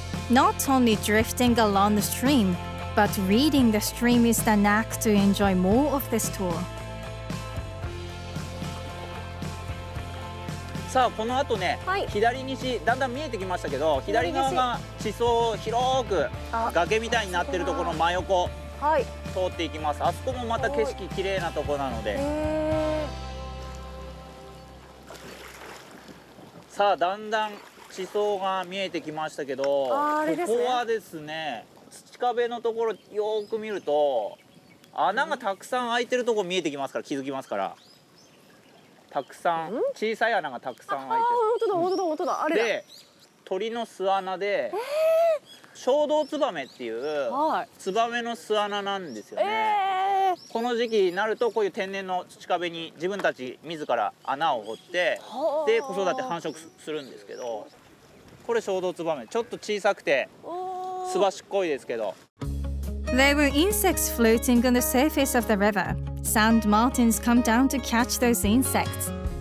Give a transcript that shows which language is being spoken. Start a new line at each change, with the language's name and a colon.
English: Not only drifting along the stream, but reading the stream is the knack to enjoy more of this tour.
Japanese: さあこの後ね、はい、左西だんだん見えてきましたけど左側が地層広く崖みたいになってるところの真横、はい、通っていきます。あそこもまた景色綺麗なところなので、さあだんだん地層が見えてきましたけど、ああ、ここはですね、土壁のところよく見ると穴がたくさん開いてるところ見えてきますから、気づきますから、たくさん小さい穴がたくさん開いてる。ああ、本当だ本当だ本当だ、あれだ。で、鳥の巣穴で、小動ツバメっていう、はい、ツバメの巣穴なんですよね。この時期になるとこういう天然の土壁に自分たち自ら穴を掘って、で子育て繁殖するんですけど、これ小動ツバメ、ちょっと小さくて素足っこいですけど。
English: There were insects floating on the surface of the river. Sand martins come down to catch those insects.